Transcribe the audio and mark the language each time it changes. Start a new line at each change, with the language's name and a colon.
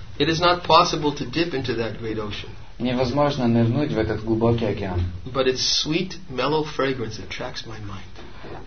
English: It is not possible to dip into that great ocean.
Russian: Невозможно нырнуть в этот глубокий океан.
English: But its sweet, mellow fragrance attracts my mind.